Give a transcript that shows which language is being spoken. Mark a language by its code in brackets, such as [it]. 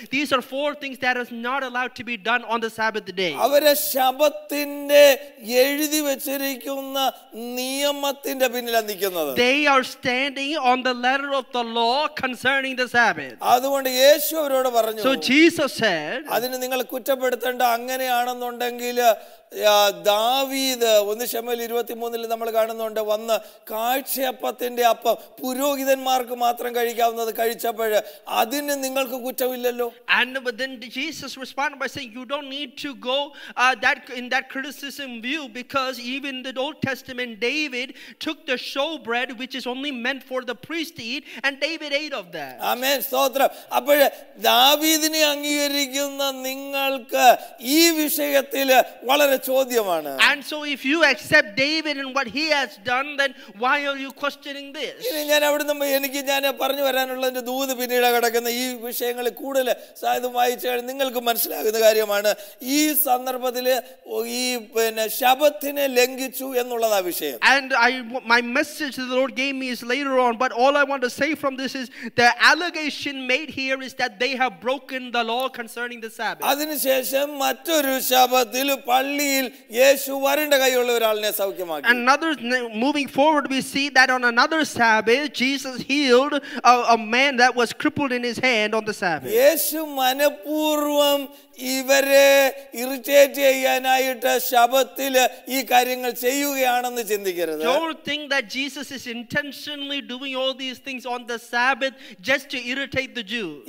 [en] These are four things that is not allowed to be done on the Sabbath day. [ml] അവരെ ശബത്തിന്റെ എഴുതി വെച്ചിരിക്കുന്ന നിയമത്തിന്റെ പിന്നിലാണ് നിൽക്കുന്നത്. [en] They are standing on the letter of the law concerning the Sabbath. [ml] അതുകൊണ്ട് യേശു അവരോട് പറഞ്ഞു. [en] So Jesus said, [ml] അതിനെ നിങ്ങൾ കുറ്റപ്പെടുത്തണ്ട, അങ്ങനെയാണെന്നുണ്ടെങ്കിൽ ദാവീദ് 1 Samuel 23 നമ്മൾ കാണുന്നുണ്ട് വന്ന് കാഴ്ചയപ്പത്തിന്റെ അപ്പം പുരോഹിതന്മാർക്ക് മാത്രം കഴിക്കാവുന്നത് കഴിച്ചപ്പോഴ് അതിന് നിങ്ങൾക്ക് കുറ്റമില്ലല്ലോ. [en] And but then Jesus responded by saying, you don't need to go in that criticism view, because even the Old Testament David took the showbread which is only meant for the priest to eat, and David ate of that. [ml] Amen. സ്തോത്രം. അപ്പോൾ ദാവീദിനെ അംഗീകരിക്കുന്ന നിങ്ങൾക്ക് ഈ വിഷയത്തിൽ വളരെ ചോദ്യമാണ്. [en] And so if you accept David and what he has done, then why are you questioning this? [ml] ഇനി ഞാൻ അവിടുന്ന് എനിക്ക് ഞാൻ പറഞ്ഞു വരാനുള്ള എന്റെ ദൂത് പിന്നീട് കിടക്കുന്ന ഈ വിഷയങ്ങളിൽ കൂടുതൽ സാധ്യത വായിച്ചാൽ നിങ്ങൾക്ക് മനസ്സിലാകുന്ന കാര്യമാണ് ഈ സന്ദർഭത്തിൽ ഈ ശബത്തിനെ ലംഘിച്ചു എന്നുള്ളതാ വിഷയം. [en] And my message to the Lord gave me is later on, but all I want to say from this is the allegation made here is that they have broken the law concerning the Sabbath. [ml] അതിനുശേഷം മറ്റൊരു ശബത്തിൽ പള്ളിയിൽ യേശു വരണ്ട കൈയുള്ള ഒരാളിനെ സൗഖ്യമാക്കി. [en] Another moving forward we see that on another Sabbath Jesus healed a man that was crippled in his hand on the Sabbath. [ml] യേശു മനപൂർവം ഇവരെ irritate ചെയ്യാനായിട്ട് ശബത്തിൽ ഈ കാര്യങ്ങൾ ചെയ്യുകയാണെന്ന് ചിന്തിക്കരുത്. [en] Don't think that Jesus is intentionally doing all these things on the Sabbath just to irritate the Jews.